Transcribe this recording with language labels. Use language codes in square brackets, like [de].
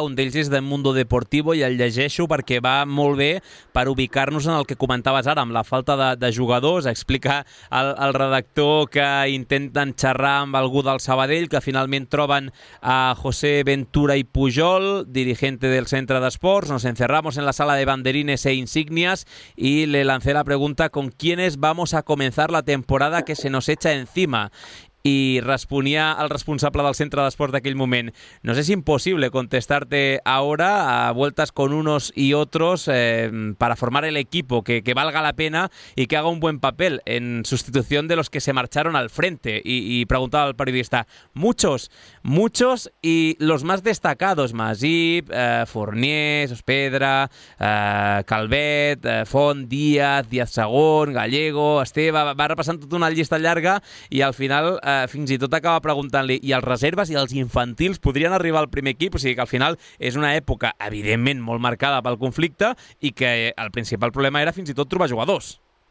[ca] Un d'ells és de Mundo Deportivo i el llegeixo perquè va molt bé per ubicar-nos en el que comentaves ara, amb la falta de jugadors. Explica al redactor que intenten xerrar amb algú del Sabadell, que finalment troben a José Ventura y Pujol, dirigente del Centre d'Esports. [es] Nos encerramos en la sala de banderines e insignias y le lancé la pregunta: ¿con quiénes vamos a comenzar la temporada que se nos echa encima? [ca] i responia el responsable del centre d'esports d'aquell moment. [es] No sé si és impossible contestarte ahora a vueltas con unos y otros para formar el equipo que valga la pena y que haga un buen papel en sustitución de los que se marcharon al frente. Y preguntaba al periodista, muchos y los más destacados, [ca] Masip, Fournier, Sospedra, Calvet, Font, Díaz Sagón, Gallego, Esteve, va repassant tota una llista llarga i al final fins i tot acaba preguntant-li i els reserves i els infantils podrien arribar al primer equip, o sigui que al final és una època evidentment molt marcada pel conflicte i que el principal problema era fins i tot trobar jugadors.